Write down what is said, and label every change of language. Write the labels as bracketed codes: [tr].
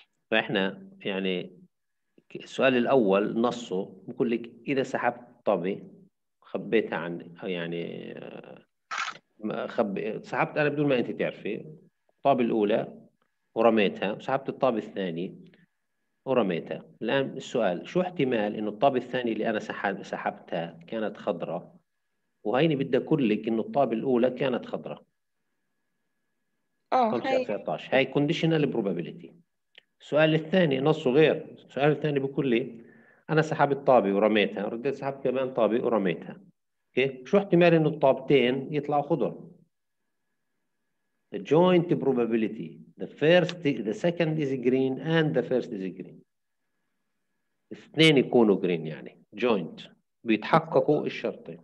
[ar] فاحنا يعني السؤال الاول نصه بقول لك اذا سحبت طابه خبيتها عندي، يعني سحبت انا بدون ما انت تعرفي الطابه الاولى ورميتها، وسحبت الطابه الثانيه ورميتها. الان السؤال شو احتمال انه الطابه الثانيه اللي انا سحبتها كانت خضراء، وهيني بدي اقول لك انه الطابه الاولى كانت خضراء. هاي [en] conditional probability. [ar] السؤال الثاني نصه غير، السؤال الثاني بيقول لي انا سحبت طابه ورميتها، رديت سحبت كمان طابه ورميتها، اوكي شو احتمال انه الطابتين يطلعوا خضر؟ [en] The joint probability the second is green [ar] and the first is green، اثنين يكونوا green يعني joint، بيتحققوا الشرطين.